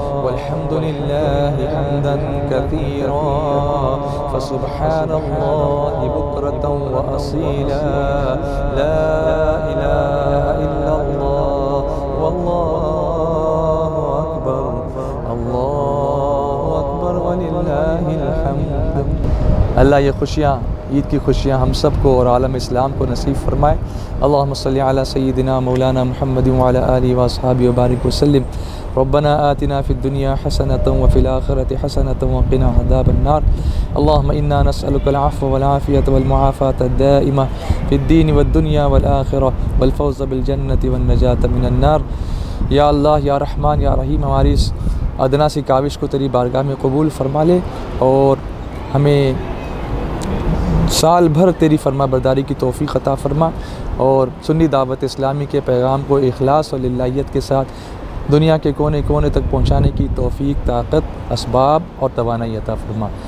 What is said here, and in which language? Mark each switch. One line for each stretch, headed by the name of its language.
Arabic: الحمد لله حمدا كثيرا فسبحان الله بكرة وأصيلا لا إله إلا الله والله أكبر الله أكبر ولله الحمد.
Urdu: اللہ یہ خوشیاں عید کی خوشیاں ہم سب کو اور عالم اسلام کو نصیب فرمائے.
Arabic: اللہم صلی علی سیدنا مولانا محمد وعلى آلہ واصحابہ وبارک وسلم. ربنا آتنا فی الدنیا حسنة وفی الآخرة حسنة وقنا عذاب النار. اللہم انا نسألک العفو والعافية والمعافاة الدائمة فی الدین والدنیا والآخرة والفوز بالجنة والنجاة من النار.
Urdu: یا اللہ یا رحمان یا رحیم ہماری اس ادنا سی کاوش کو تیری بارگاہ میں قبول فرما لے اور ہمیں سال بھر تیری فرما برداری کی توفیق عطا فرما اور سنی دعوت اسلامی کے پیغام کو اخلاص اور للہیت کے ساتھ دنیا کے کونے کونے تک پہنچانے کی توفیق طاقت اسباب اور توانائی عطا فرما.